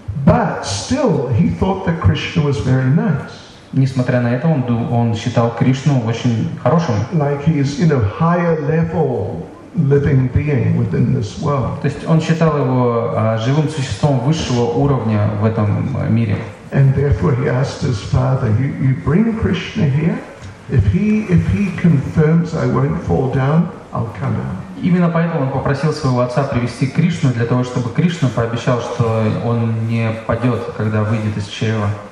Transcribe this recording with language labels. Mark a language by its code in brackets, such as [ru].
[en] But still, he thought that Krishna was very nice. [ru] Несмотря на это, он считал Кришну очень хорошим. [en] Like he's, you know, higher level living being within this world. [ru] То есть он считал его живым существом высшего уровня в этом мире. [en] And therefore he asked his father, you bring Krishna here? If he confirms I won't fall down, I'll come out. [ru] Именно поэтому он попросил своего отца привести Кришну, для того, чтобы Кришна пообещал, что он не падет, когда выйдет из чрева.